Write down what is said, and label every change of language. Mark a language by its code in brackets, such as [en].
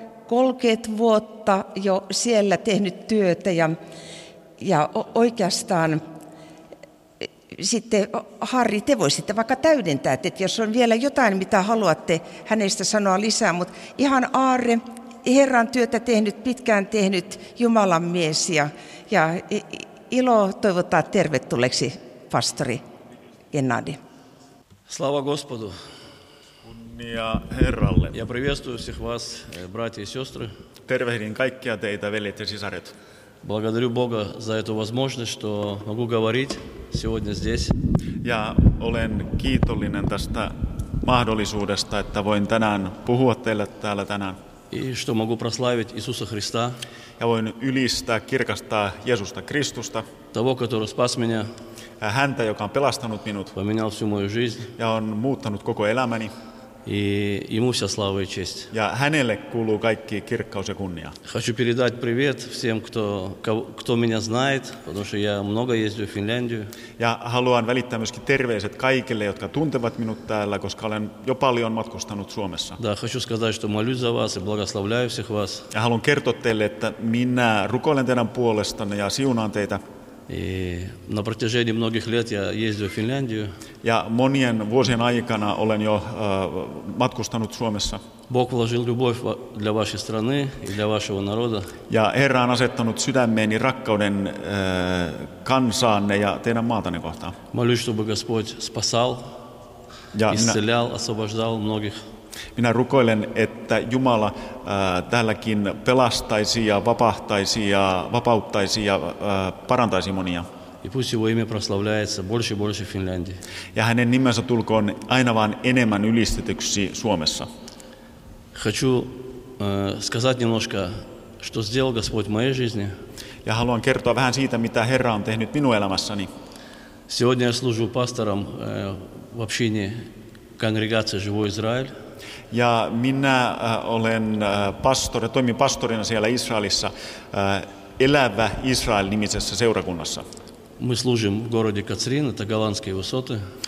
[fi] 30 vuotta jo siellä tehnyt työtä ja oikeastaan sitten Harri, te voisitte vaikka täydentää, että jos on vielä jotain, mitä haluatte hänestä sanoa lisää, mutta ihan Aarre, Herran työtä tehnyt, pitkään tehnyt Jumalan mies ja ilo toivottaa tervetulleeksi pastori Gennadi. [ru] Slava Gospodu. [fi] Ja Herralle. [ru] Я приветствую всех вас, братья и сестры. [fi] Tervehdin kaikkia teitä, veljet ja sisaret. [ru] Благодарю Бога за эту возможность, что могу говорить сегодня здесь. [fi] Я olen kiitollinen tästä mahdollisuudesta, että voin tänään puhua teille täällä tänään. [ru] И что могу прославить Иисуса Христа. [fi] Я voin ylistää, kirkastaa Jeesusta Kristusta. [ru] Того, который спас меня. [fi] Häntä, joka on pelastanut minut. [ru] Поменял всю мою жизнь. [fi] Ja on muuttanut koko elämäni. [ru] И ему вся слава и честь. [fi] Ja hänelle kuuluu kaikki kirkkaus ja kunnia. [ru] Хочу передать привет всем, кто меня знает, потому что я много ездил в Финляндию. [fi] Ja haluan välittää myöskin terveiset kaikille, jotka tuntevat minut täällä, koska olen jo paljon matkustanut Suomessa. [ru] Да, хочу сказать, что молюсь за вас и благословляю всех вас. [fi] Ja haluan kertoa teille, että minä rukoilen teidän puolestanne ja siunaan teitä. [ru] И на протяжении многих лет я ездил в Финляндию. [fi] Я monien vuosien aikana olen jo matkustanut Suomessa. [ru] Бог вложил любовь для вашей страны и для вашего народа. [fi] Ja Herra on asettanut sydämeeni rakkauden kansaanne ja teidän maatanne kohtaan. [ru] Молюсь, чтобы Господь спасал, исцелял, освобождал многих. [fi] Minä rukoilen, että Jumala täälläkin pelastaisi ja vapahtaisi ja vapauttaisi ja parantaisi monia. [ru] И пусть его имя прославляется больше и больше в Финляндии. [fi] Ja hänen nimensä tulkoon aina vaan enemmän ylistetyksi Suomessa. [ru] Хочу сказать немножко, что сделал Господь в моей жизни. [fi] Ja haluan kertoa vähän siitä, mitä Herra on tehnyt minun elämässäni. [ru] Сегодня я служу пастором в общине конгрегации «Живой Израиль». [fi] Ja minä olen pastori, toimin pastorina siellä Israelissa, elävä Israel nimisessä seurakunnassa. [ru] Мы служим в городе Кацрин, это голландские высоты.